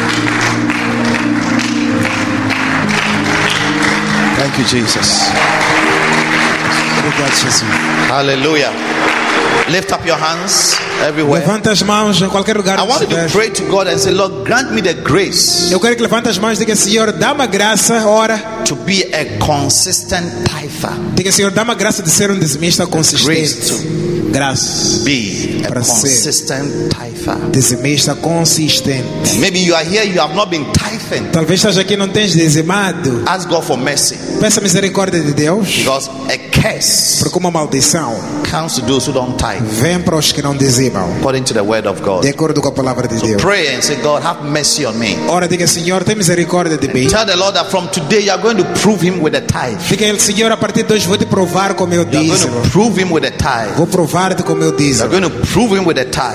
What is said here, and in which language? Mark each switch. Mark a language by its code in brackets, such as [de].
[en] Thank you, Jesus. Hallelujah. Lift up your hands everywhere. [pt] Levanta as mãos em qualquer lugar. [en] I want you to pray to God and say, Lord, grant me the grace. [pt] Eu quero que levantes as mãos e diga, Senhor, dá-me a graça, ora, [en] to be a consistent tither. [pt] Diga, Senhor, dá-me a graça de ser dizimista consistente. [en] Grace to be a consistent tither. [pt] Dizimista consistente. [en] Maybe you are here, you have not been tithing. [pt] Talvez estás aqui e não tens dizimado. [en] Ask God for mercy. [pt] Peça misericórdia de Deus. [en] Because a curse, [pt] porque uma maldição, [en] comes to those who don't tithe. [pt] Vem para os que não dizimam. [en] According to the word of God. [pt] De acordo com a palavra de Deus. [en] So pray and say, God, have mercy on me. [pt] Ora, diga, Senhor, tem misericórdia de mim. [en] Tell the Lord that from today you are going to prove him with a tithe. [pt] Diga, Senhor, a partir de hoje vou te provar com meu dízimo. [en] You are going to prove him with a tithe. [pt] Vou provar-te com meu dízimo. [en] You are going to prove him with a tithe.